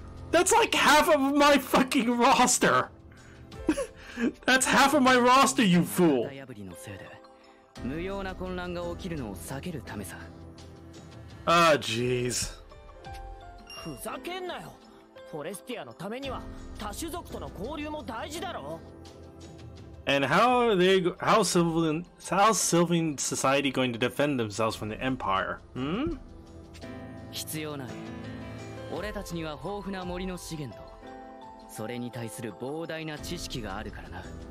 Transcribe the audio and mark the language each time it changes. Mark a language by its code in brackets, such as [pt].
[en] That's like half of my fucking roster. That's half of my roster, you fool. [ja] 大破りのせいで無用な混乱が起きるのを避けるためさ。 [en] Ah, jeez. [ja] ふざけんなよ。フォレスティアのためには多種族との交流も大事だろ。 [en] And how are they? How's Sylvan society going to defend themselves from the Empire? Hmm? [ja] 必要ない。俺たちには豊富な森の資源と、それに対する膨大な知識があるからな。